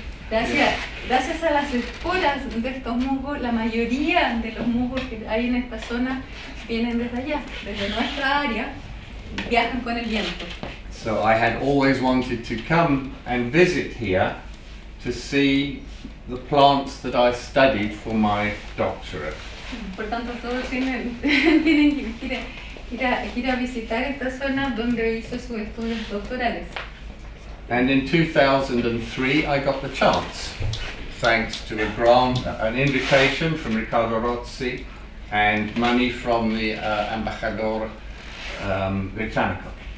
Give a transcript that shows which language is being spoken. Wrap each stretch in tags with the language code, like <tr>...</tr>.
<es>Gracias a las esporas de estos musgos, la mayoría de los musgos que hay en esta zona vienen desde allá, desde nuestra área, viajan con el viento.</es> <en>So I had always wanted to come and visit here to see the plants that I studied for my doctorate.</en> <es>Por tanto, todos tienen que ir a visitar esta zona donde hizo sus estudios doctorales.</es> <en>And in 2003, I got the chance, thanks to a grant, an invitation from Ricardo Rossi, and money from the</en> <es>embajador británico.</es>